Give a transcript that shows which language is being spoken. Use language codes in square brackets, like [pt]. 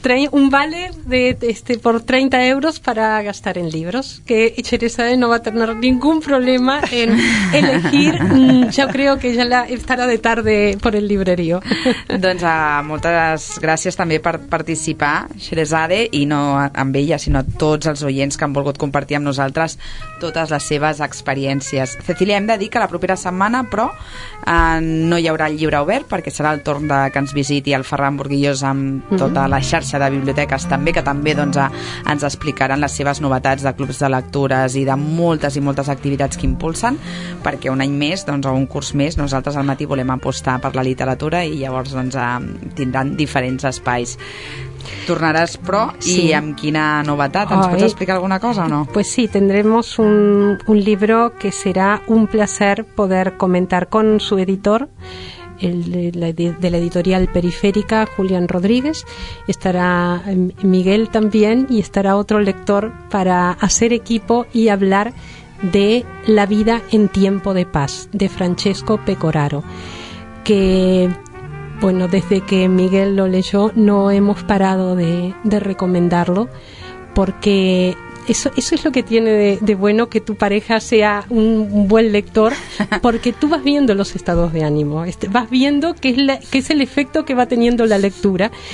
[es] Un vale de por 30 euros para gastar en libros. Que Xeresade no va a tener ningún problema en elegir. Yo creo que ya estará de tarde por el librerío. [ca] Doncs moltes gràcies també per participar, Xeresade, i no amb ella, sinó a tots els oients que han volgut compartir amb nosaltres totes les seves experiències. Cecília, hem de dir que la propera setmana, però no hi haurà el llibre obert, perquè serà el torn de que ens visiti el Ferran Burguillós amb tota la xarxa de biblioteques també, que també doncs, ens explicaran les seves novetats de clubs de lectures i de moltes i moltes activitats que impulsen, perquè un any més, doncs, o un curs més, nosaltres al matí volem apostar per la literatura i llavors doncs, tindran diferents espais. Tornaràs, però, sí. I amb quina novetat? Ens pots explicar alguna cosa o no? [es] Pues sí, tendremos un libro que será un placer poder comentar con su editor. de la editorial Periférica, Julián Rodríguez. Estará Miguel también y estará otro lector para hacer equipo y hablar de La vida en tiempo de paz, de Francesco Pecoraro, que, bueno, desde que Miguel lo leyó no hemos parado de recomendarlo, porque eso es lo que tiene de bueno que tu pareja sea un buen lector, porque tú vas viendo los estados de ánimo, vas viendo qué es el efecto que va teniendo la lectura.